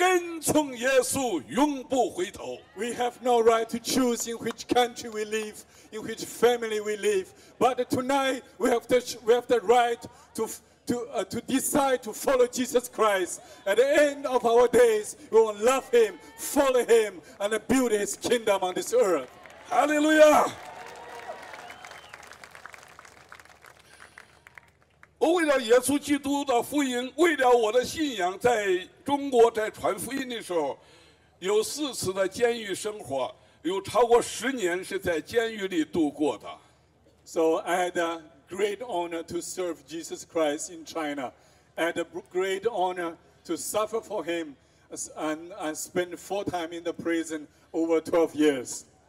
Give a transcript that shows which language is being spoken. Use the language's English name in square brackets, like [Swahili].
[Chinese] 我们没有权利决定我们生在哪一个国家、哪一个民族、哪一个家庭，但是耶稣爱我们，我们有权利决定要跟从耶稣，永不回头。 [English] We have no right to choose in which country we live, in which family we live. But tonight we have the right to decide to follow Jesus Christ. At the end of our days, we will love him, follow him, and build his kingdom on this earth. Hallelujah! [Chinese] 为了耶稣基督的福音，为了我的信仰在中国在传福音的时候，有四次的监狱生活，有超过10年是在监狱里度过的。 [English] So I had a great honor to serve Jesus Christ in China. I had a great honor to suffer for him and spend full time in the prison over 12 years.